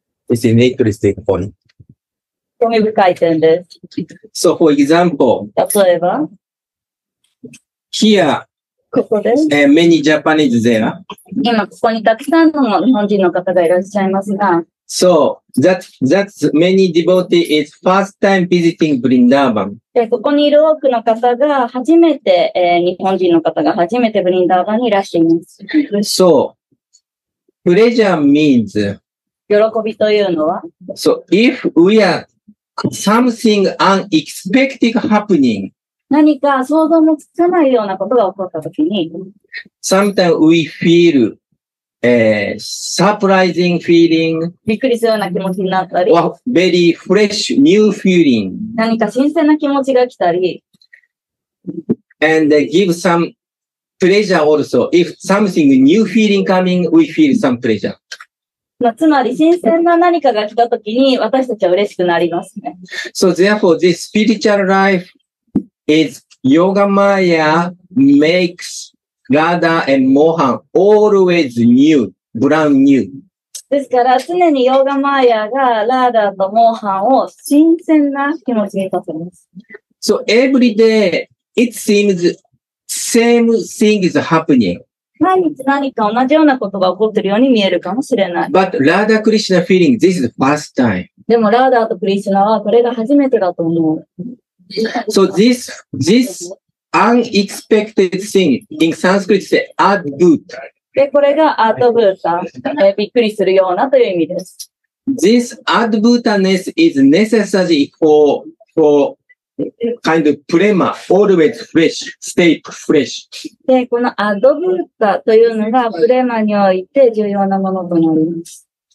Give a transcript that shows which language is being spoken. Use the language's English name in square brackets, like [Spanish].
[English] It's an interesting point. [Japanese] 興味深い点です。 [English] So for example, [Japanese] 例えば、 [English] here, [Japanese] ここで、 [English] many Japanese there. [Japanese] 今ここにたくさんの日本人の方がいらっしゃいますが、 [English] So, that's many devotees is first time visiting Vrindavan. [Japanese] ここにいる多くの方が初めて、日本人の方が初めてブリンダーバンにいらっしゃいます。 [English] So, pleasure means, [Japanese] 喜びというのは [English] ?So, if we are something unexpected happening, [Japanese] 何か想像もつかないようなことが起こったときに、 [English] Sometimes we feel,surprising feeling. [Japanese] びっくりするような気持ちになったり。 [English] Or very fresh new feeling. [Japanese] 何か新鮮な気持ちが来たり。 [English] and give some pleasure also. If something new feeling coming, we feel some pleasure. [Japanese] つまり新鮮な何かが来たときに私たちは嬉しくなりますね。 [English] So therefore, this spiritual life is yoga maya makes radha and mohan always new, brand new. [Japanese] ですから常にヨーガマーヤがラーダーとモーハンを新鮮な気持ちにさせます。 [English] So every day it seems same thing is happening. [Japanese] 毎日何か同じようなことが起こっているように見えるかもしれない。 [English] But Radha Krishna feeling, this is the first time. [Japanese] でも、ラーダーとクリシナはこれが初めてだと思う。 [English] So this unexpected thing, in Sanskrit say, adbhut. [Japanese] で、これがアドブータ。びっくりするようなという意味です。 [English] This adbhutaness is necessary for kind of prema, always fresh, stay fresh. [Japanese] で、このアドブータというのがプレマにおいて重要なものとなります。